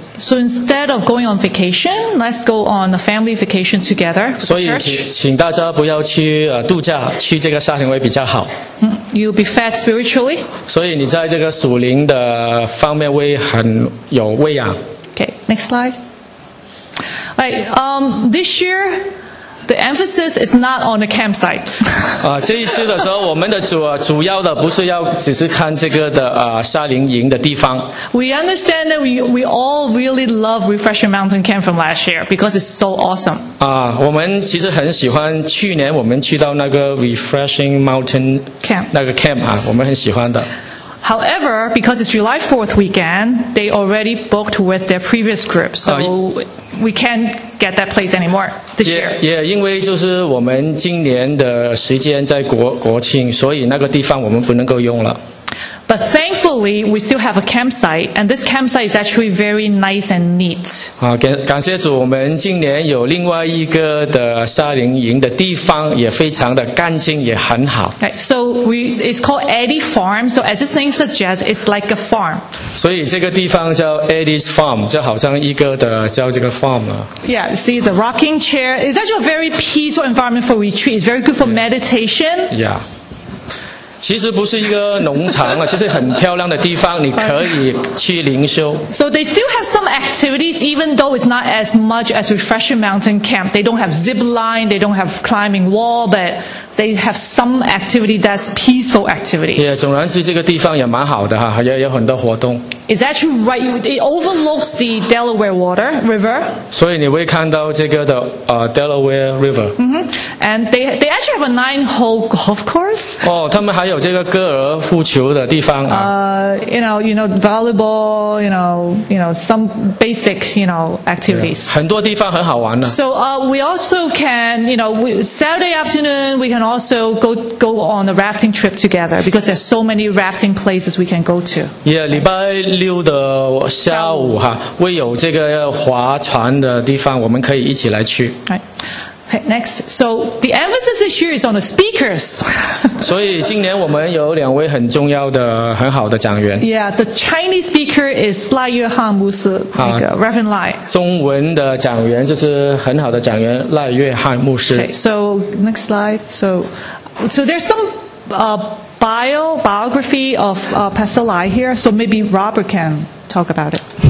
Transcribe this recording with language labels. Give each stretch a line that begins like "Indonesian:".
English: So instead of going on vacation, let's go on a family vacation together.
Chinese: 所以请大家不要去度假，去这个夏令会比较好。
English: You'll be fed spiritually.
Chinese: 所以你在这个属灵的方面会很有喂养。
English: Okay, next slide. Right, this year, the emphasis is not on the campsite.
Chinese: 这一次的时候，我们的主要的不是要只是看这个的夏令营的地方。
English: We understand that we all really love Refreshing Mountain Camp from last year because it's so awesome.
Chinese: 我们其实很喜欢去年我们去到那个 Refreshing Mountain
English: Camp
Chinese: 那个 camp 啊，我们很喜欢的。
English: However, because it's July 4th weekend, they already booked with their previous group, so we can't get that place anymore this year.
Chinese: Yeah, 因为就是我们今年的时间在国庆，所以那个地方我们不能够用了。
English: But thankfully, we still have a campsite, and this campsite is actually very nice and neat.
Chinese: 感谢主，我们今年有另外一个的夏令营的地方，也非常的干净，也很好。
English: Right, so it's called Eddie Farm. So as its name suggests, it's like a farm.
Chinese: 所以这个地方叫 Eddie's Farm, 就好像一个的叫这个 farm 啊。
English: Yeah, see the rocking chair. It's actually a very peaceful environment for retreat. It's very good for meditation. Yeah.
Chinese: 其实不是一个农场了，这是很漂亮的地方，你可以去灵修。
English: So they still have some activities, even though it's not as much as Refreshing Mountain Camp. They don't have zip line, they don't have climbing wall, but they have some activity that's peaceful activity.
Chinese: Yeah, 总而言之，这个地方也蛮好的哈，有很多活动。
English: It's actually right. It overlooks the Delaware Water River.
Chinese: 所以你会看到这个的Delaware River. Mm-hmm.
English: And they actually have a 9-hole golf course.
Chinese: 哦，他们还有这个歌儿复球的地方啊。
English: You know, volleyball. You know, some basic, you know, activities.
Chinese: Yeah. 很多地方很好玩的。
English: So, we also can, you know, Saturday afternoon, we can also go on a rafting trip together because there's so many rafting places we can go to.
Chinese: Yeah, 礼拜。六的下午哈，会有这个划船的地方，我们可以一起来去。
English: Right. Okay, next, so the emphasis this year is on the speakers.
Chinese: 所以今年我们有两位很重要的、很好的讲员。
English: Yeah, the Chinese speaker is Lai Yuehan
Chinese: 牧师，那个
English: Reverend Lai。
Chinese: 中文的讲员就是很好的讲员赖约翰牧师。
English: Okay, so next slide. So there's some biography of Pastor Lai here, so maybe Robert can talk about it.